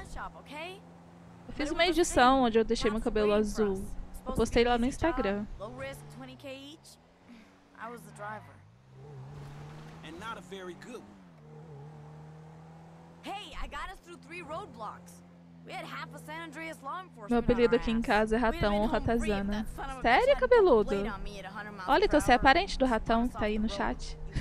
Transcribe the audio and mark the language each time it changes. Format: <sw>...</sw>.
<pt>Eu fiz uma edição onde eu deixei meu cabelo azul. Eu postei lá no Instagram.</pt> <en>Low risk, 20k each. I was the driver. And not a very good one. Hey, I got us through three roadblocks. We had half a San Andreas law enforcement.</en> <pt>Meu apelido aqui em casa é Ratão ou Ratazana. Sério, cabeludo? Olha, então você é parente do ratão que tá aí no chat.</pt>